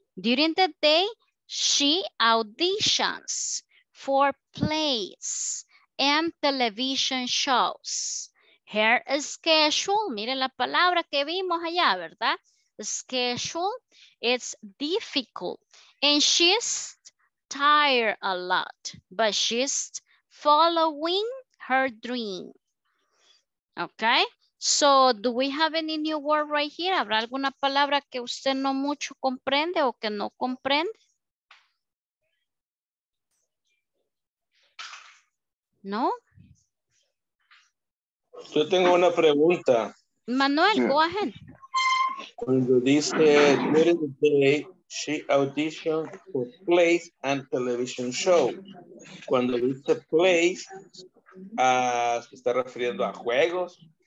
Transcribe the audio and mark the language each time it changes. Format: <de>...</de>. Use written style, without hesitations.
<en>During the day, she auditions for plays and television shows. Her schedule,</en> <es>miren la palabra que vimos allá, ¿verdad?</es> <en>Schedule, it's difficult. And she's tired a lot, but she's following her dream. Okay, so do we have any new word right here?</en> <es>¿Habrá alguna palabra que usted no mucho comprende o que no comprende? ¿No? Yo tengo una pregunta.</es> <en>Manuel, go ahead.</en> <es>Cuando dice,</es> <en>during the day, she auditioned for plays and television shows.</en> <es>Cuando dice plays, ¿se está refiriendo a juegos?</es>